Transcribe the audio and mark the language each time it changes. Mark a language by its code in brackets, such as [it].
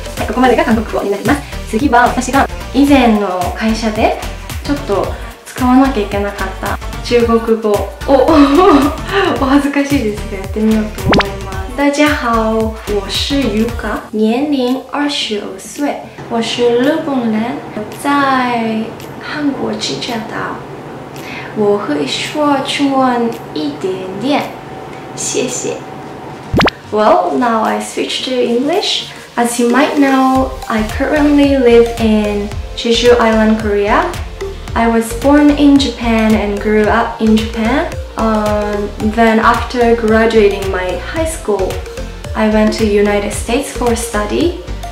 [ja] ここまでが韓国語になります。次は私が以前の会社でちょっと使わなきゃいけなかった中国語をお恥ずかしいですがやってみようと思います。 [zh] 大家好，我是 Yuka， 年龄25岁，我是日本人，在韩国济州岛。我会说中文一点点，谢谢。 [en] Well, now I switch to English. As you might know, I currently live in Jeju Island, Korea. I was born in Japan and grew up in Japan. Then after graduating my high school, I went to United States for study.